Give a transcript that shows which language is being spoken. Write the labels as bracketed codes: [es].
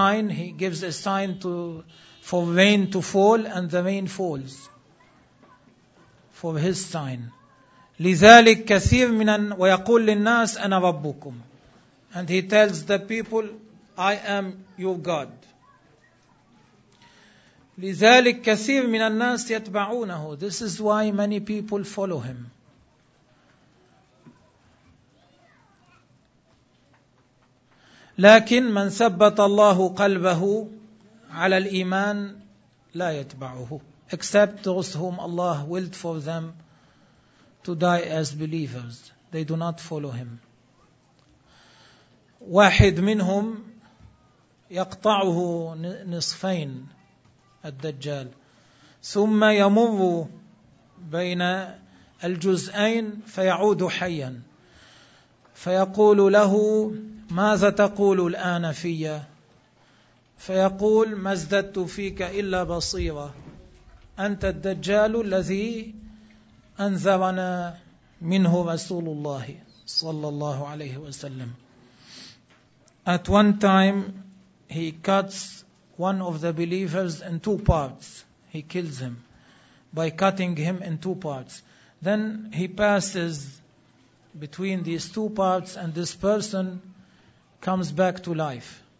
[en] He gives a sign for rain to fall, and the rain falls for his sign. [ar] لذلك كثير من ويقول للناس أنا ربكم. [en] And he tells the people, I am your God. [ar] لذلك كثير من الناس يتبعونه. [en] This is why many people follow him. [ar] لكن من ثبت الله قلبه على الإيمان لا يتبعه. [en] Except those whom Allah willed for them to die as believers. They do not follow him. [ar] واحد منهم يقطعه نصفين. الدجال ثم يمر بين الجزئين فيعود حيا فيقول له ماذا تقول الآن في فيقول ما ازددت فيك إلا بصيرة أنت الدجال الذي أنذرنا منه رسول الله صلى الله عليه وسلم. [en] At one time, he cuts one of the believers in two parts. He kills him by cutting him in two parts. Then he passes between these two parts and this person comes back to life.